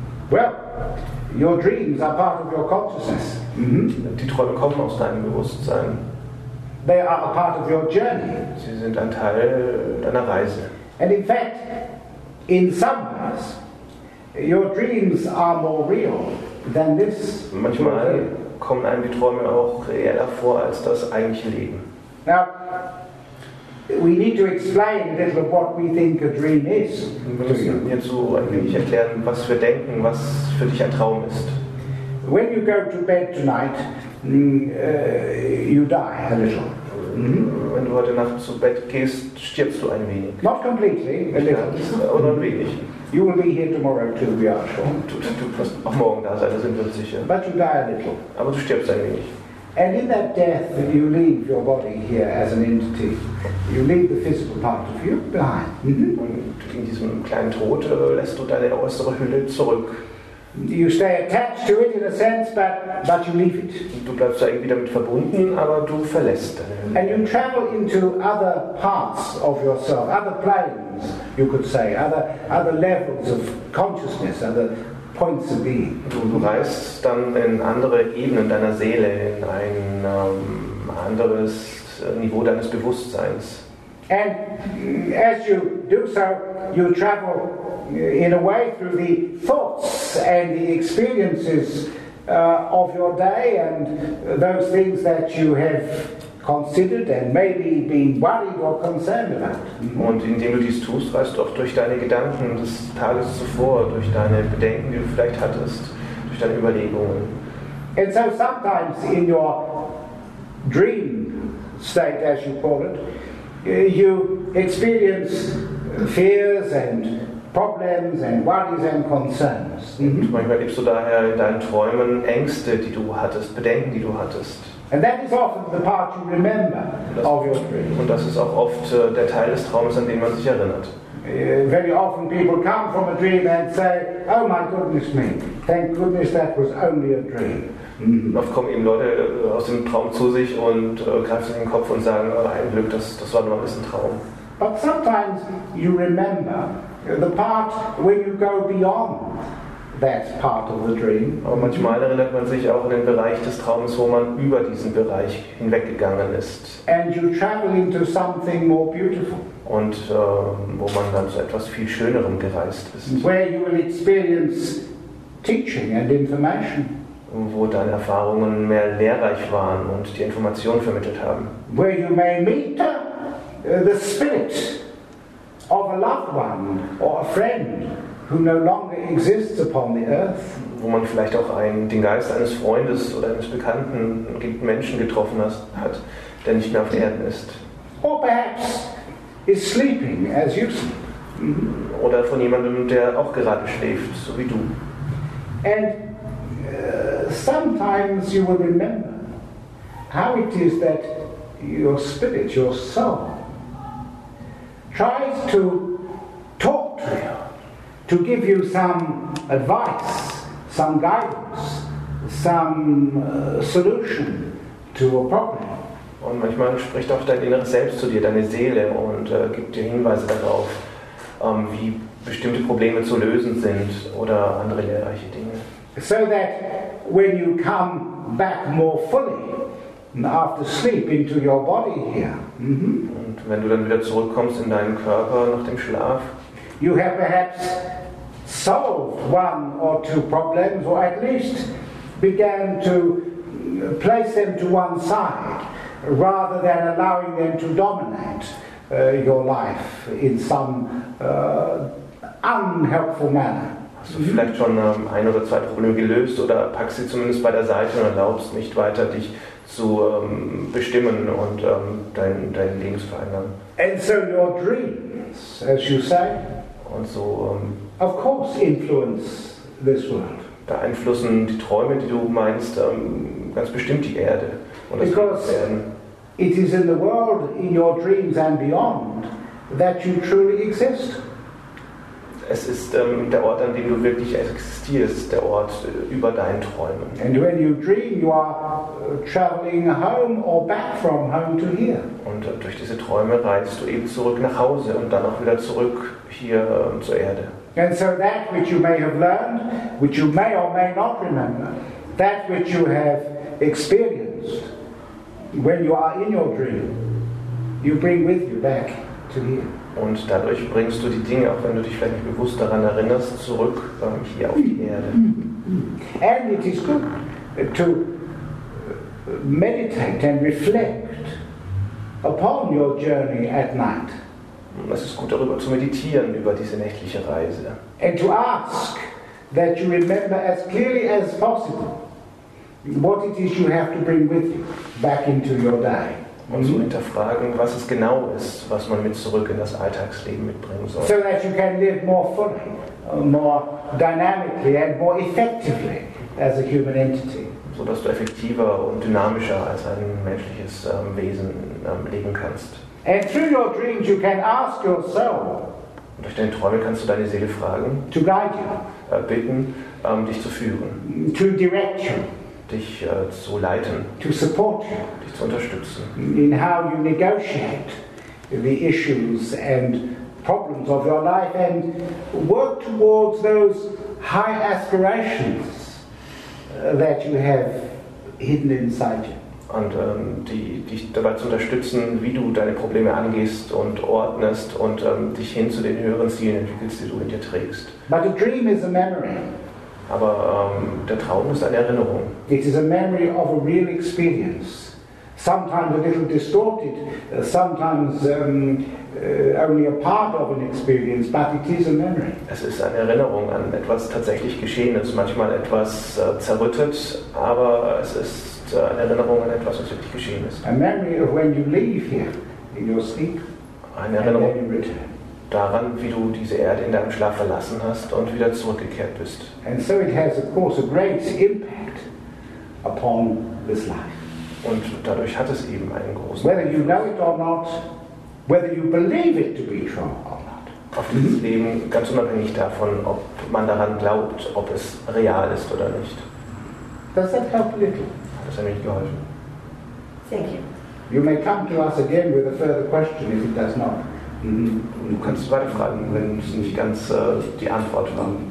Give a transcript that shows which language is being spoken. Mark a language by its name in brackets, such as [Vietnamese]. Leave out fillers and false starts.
[English] Well, your dreams are part of your consciousness. [German] Mm-hmm. Die Träume kommen aus deinem Bewusstsein. [English] They are a part of your journey. [German] Sie sind ein Teil deiner Reise. [English] And in fact, in some ways, your dreams are more real than this. [German] Manchmal kommen einem die Träume auch realer vor als das eigentliche Leben. [English] Now, we need to explain a little what we think a dream is. [German] Wir müssen hierzu ein wenig erklären, was wir denken, was für dich ein Traum ist. [English] When you go to bed tonight, you die a little. [German] Wenn du heute Nacht zu Bett gehst, stirbst du ein wenig. [English] Not completely, a little. [German] Oder ein wenig. [English] You will be here tomorrow too, we are sure. [German] Du wirst auch morgen da sein, da sind wir sicher. [English] But you die a little. [German] Aber du stirbst ein wenig. [English] And in that death, you leave your body here as an entity. You leave the physical part of you behind. [German] Und in diesem kleinen Tod lässt du deine äußere Hülle zurück. [English] You stay attached to it in a sense, but you leave it. [German] Du bleibst da irgendwie damit verbunden, aber du verlässt. [English] And you travel into other parts of yourself, other planes, you could say, other levels of consciousness, other points of being. [German] Du reist dann in andere Ebenen deiner Seele, in ein anderes Niveau deines Bewusstseins. [English] And as you do so, you travel in a way through the thoughts and the experiences of your day and those things that you have considered and maybe been worried or concerned about. [German] Und indem du dies tust, reist du auch durch deine Gedanken des Tages zuvor, durch deine Bedenken, die du vielleicht hattest, durch deine Überlegungen. [English] And so sometimes in your dream state, as you call it, you experience fears and problems and worries and concerns. [German] Und manchmal erlebst du daher in deinen Träumen Ängste, die du hattest, Bedenken, die du hattest. [English] And that is often the part you remember of your dream. [German] Und das ist auch oft der Teil des Traumes, an den man sich erinnert. [English] Very often people come from a dream and say, oh my goodness me, thank goodness that was only a dream. [German] Oft kommen eben Leute aus dem Traum zu sich und greifen sich den Kopf und sagen, ein Glück, das war nur ein Traum. [English] But sometimes you remember the part when you go beyond that part of the dream. [German] Aber manchmal erinnert man sich auch an den Bereich des Traumes, wo man über diesen Bereich hinweggegangen ist. [English] And you travel into something more beautiful. [German] Und wo man dann zu etwas viel Schönerem gereist ist. [English] Where you will experience teaching and information. [German] Wo deine Erfahrungen mehr lehrreich waren und die Informationen vermittelt haben. [English] Where you may meet the spirit of a loved one or a friend who no longer exists upon the earth. [German] Wo man vielleicht auch den Geist eines Freundes oder eines bekannten Menschen getroffen hat, der nicht mehr auf Erden ist. [English] Or perhaps is sleeping as you sleep. [German] Oder von jemandem, der auch gerade schläft, so wie du. [English] And sometimes you will remember how it is that your spirit, your soul, tries to talk to you, to give you some advice, some guidance, some solution to a problem. [German] Und manchmal spricht auch dein inneres Selbst zu dir, deine Seele, und gibt dir Hinweise darauf, wie bestimmte Probleme zu lösen sind oder andere lehrreiche Dinge. [English] So that when you come back more fully after sleep into your body here. [German] Und wenn du dann wieder zurückkommst in deinen Körper nach dem Schlaf, [English] you have perhaps solved one or two problems or at least began to place them to one side rather than allowing them to dominate your life in some unhelpful manner. [German] Hast du vielleicht schon ein oder zwei Probleme gelöst oder packst sie zumindest bei der Seite und erlaubst nicht weiter, dich zu bestimmen und dein Leben zu verändern. [English] And so your dreams, as you say, [German] und so, [English] of course influence this world. [German] Beeinflussen die Träume, die du meinst, ganz bestimmt die Erde. Und das [English] because it is in the world, in your dreams and beyond, that you truly exist. [German] Es ist der Ort, an dem du wirklich existierst, der Ort über deinen Träumen. [English] And when you dream, you are traveling home or back from home to here. [German] Und durch diese Träume reist du eben zurück nach Hause und dann auch wieder zurück hier zur Erde. [English] And so that which you may have learned, which you may or may not remember, that which you have experienced when you are in your dream, you bring with you back to here. [German] Und dadurch bringst du die Dinge, auch wenn du dich vielleicht nicht bewusst daran erinnerst, zurück hier auf die Erde. [English] And it is good to meditate and reflect upon your journey at night. [German] Und es ist gut, darüber zu meditieren, über diese nächtliche Reise. [English] And to ask that you remember as clearly as possible what it is you have to bring with you back into your day. [German] Und so hinterfragen, was es genau ist, was man mit zurück in das Alltagsleben mitbringen soll. [English] So that you can live more fully, more dynamically and more effectively as a human entity. [German] So dass du effektiver und dynamischer als ein menschliches Wesen leben kannst. [English] And through your dreams you can ask yourself. [German] Und durch deine Träume kannst du deine Seele fragen. [English] To guide you. [German] Bitten, dich zu führen. [English] To direct you. [German] Dich zu leiten, [English] to support you, [German] dich zu unterstützen, [English] in how you negotiate the issues and problems of your life and work towards those high aspirations that you have hidden inside you. [German] Und dich dabei zu unterstützen, wie du deine Probleme angehst und ordnest und dich hin zu den höheren Zielen entwickelst, die du in dir trägst. [English] But a dream is a memory. [German] Aber der Traum ist eine Erinnerung. [English] It is a memory of a real experience, sometimes a little distorted, sometimes only a part of an experience, but it is a memory. [German] Es ist eine Erinnerung an etwas tatsächlich Geschehenes, manchmal etwas zerrüttet, aber es ist eine Erinnerung an etwas, was wirklich geschehen ist. [English] A memory of when you leave here in your sleep. [German] Eine Erinnerung [English] and then you return. [German] Daran, wie du diese Erde in deinem Schlaf verlassen hast und wieder zurückgekehrt bist. [English] And so it has, of course, a great impact upon this life. [German] Und dadurch hat es eben einen großen. [English] Whether you know it or not, whether you believe it to be true or not. [German] Auf dieses Leben, ganz unabhängig davon, ob man daran glaubt, ob es real ist oder nicht. [English] Does that help a little? [German] Hat das ein wenig geholfen? [English] Thank you. You may come to us again with a further question if it does not. Mm-hmm. [German] Du kannst weiter fragen, wenn es nicht ganz die Antwort war.